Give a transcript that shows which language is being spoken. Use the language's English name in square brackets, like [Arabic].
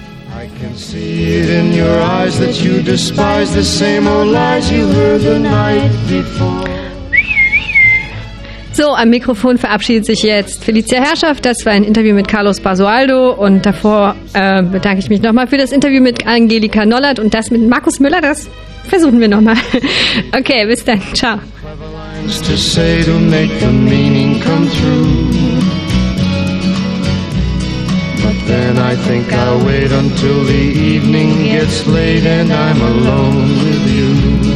[English] I can see it in your eyes that you despise the same old lies you heard the night before. [German] So, am Mikrofon verabschiedet sich jetzt Felicia Herrschaft. Das war ein Interview mit Carlos Basualdo. Und davor bedanke ich mich nochmal für das Interview mit Angelika Nollert. Und das mit Markus Müller, das versuchen wir nochmal. Okay, bis dann. Ciao. [English] But then I think I'll wait until the evening gets late and I'm alone with you.